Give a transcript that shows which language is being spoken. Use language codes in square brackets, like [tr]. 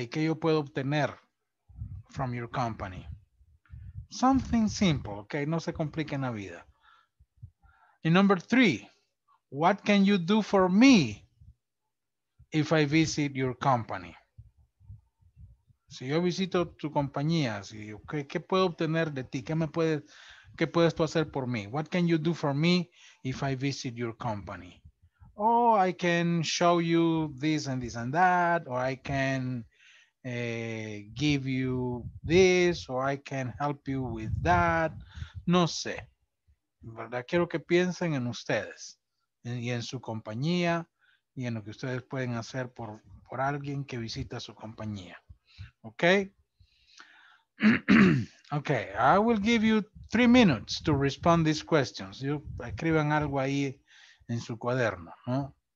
[es] ¿Y qué yo puedo obtener [en] from your company? Something simple, okay? [es] No se complique la vida. [en] And number three, what can you do for me if I visit your company? [es] Si yo visito tu compañía, si, okay, ¿qué puedo obtener de ti? ¿Qué puedes tú hacer por mí? [en] What can you do for me if I visit your company? Oh, I can show you this and this and that, or I can give you this, or I can help you with that. [es] No sé. ¿Verdad? Quiero que piensen en ustedes y en su compañía y en lo que ustedes pueden hacer por alguien que visita su compañía. Okay? [en] Okay, I will give you 3 minutes to respond these questions. [es] You escriban algo ahí en su cuaderno, ¿no?